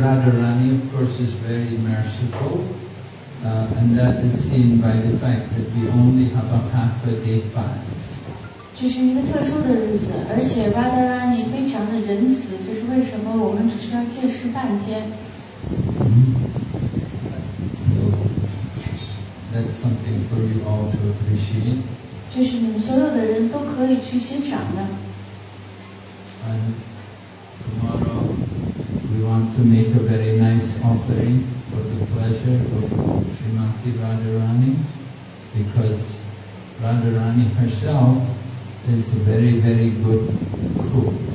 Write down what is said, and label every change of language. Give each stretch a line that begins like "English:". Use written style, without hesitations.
English: Radharani, of course, is very merciful, and that is seen by the fact that we only have a half a day fast.
Chinese: 这是一个特殊的日子，而且 Radharani 非常的仁慈，这是为什么我们只是要戒食半天。
English: So that's something for you all to appreciate.
Chinese: 这是你们所有的人都可以去欣赏的。
English: And tomorrow we want to make a very nice offering for the pleasure of Srimati Radharani because Radharani herself is a very, very good cook.